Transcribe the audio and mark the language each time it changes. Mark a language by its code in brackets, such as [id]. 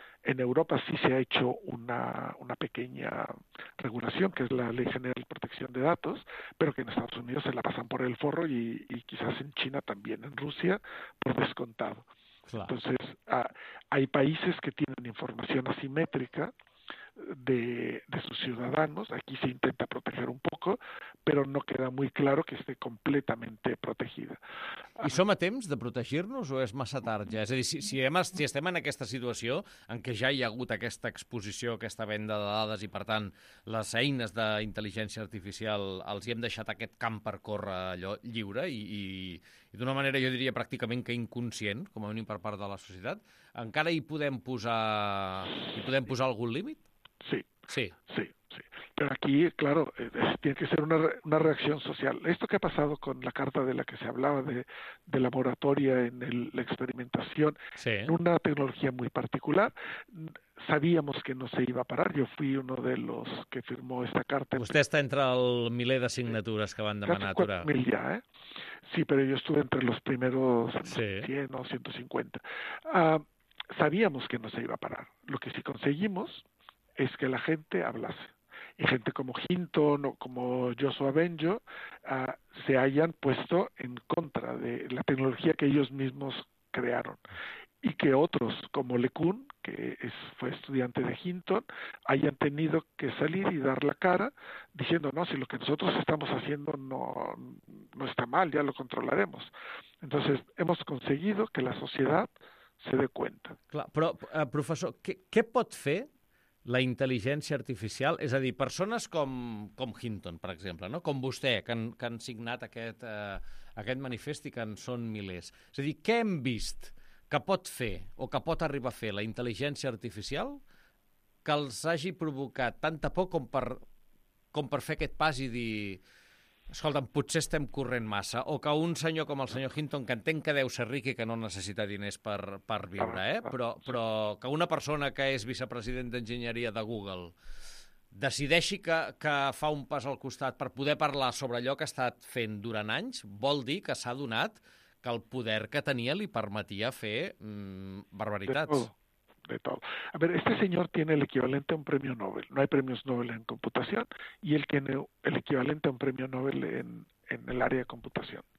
[es] En Europa sí se ha hecho una pequeña regulación, que es la Ley General de Protección de Datos, pero que en Estados Unidos se la pasan por el forro y quizás en China también, en Rusia, por descontado. Claro. Entonces, hay países que tienen información asimétrica de sus ciudadanos. Aquí se intenta proteger un poco, pero no queda muy claro que esté completamente protegida. [ca] I som a temps de protegir-nos o és massa tard ja? És a dir, si estem en aquesta situació en què ja hi ha hagut aquesta exposició, aquesta venda de dades i, per tant, les eines d'intel·ligència artificial els hi hem deixat aquest camp per córrer allò lliure i d'una manera, jo diria, pràcticament que inconscient, com a mínim per part de la societat, encara hi podem posar algun límit? [es] Sí. Sí. Sí. Sí, pero aquí, claro, tiene que ser una reacción social. Esto que ha pasado con la carta de la que se hablaba, de la moratoria en la experimentación, sí, en una tecnología muy particular, sabíamos que no se iba a parar. Yo fui uno de los que firmó esta carta. [ca] Usted está entre el miler de signaturas que van demanar aturar. [es] 4.000 ya, ¿eh? Sí, pero yo estuve entre los primeros, sí, 100 o 150. Sabíamos que no se iba a parar. Lo que sí conseguimos es que la gente hablase. Y gente como Hinton o como Joshua Benjo se hayan puesto en contra de la tecnología que ellos mismos crearon. Y que otros, como LeCun, que fue estudiante de Hinton, hayan tenido que salir y dar la cara diciendo, no, si lo que nosotros estamos haciendo no está mal, ya lo controlaremos. Entonces, hemos conseguido que la sociedad se dé cuenta. [ca] Clar, però, professor, què pot fer la intel·ligència artificial, és a dir, persones com Hinton, per exemple, no? Com vostè, que han signat aquest manifest i que en són milers. És a dir, què hem vist que pot fer o que pot arribar a fer la intel·ligència artificial que els hagi provocat tanta por com per fer aquest pas i dir, escolta'm, potser estem corrent massa, o que un senyor com el senyor Hinton, que entenc que deu ser ric i que no necessita diners per viure, però que una persona que és vicepresident d'enginyeria de Google decideixi que fa un pas al costat per poder parlar sobre allò que ha estat fent durant anys, vol dir que s'ha adonat que el poder que tenia li permetia fer barbaritats. [es] De todo. A ver, este señor tiene el equivalente a un premio Nobel. No hay premios Nobel en computación y él tiene el equivalente a un premio Nobel en el área de computación.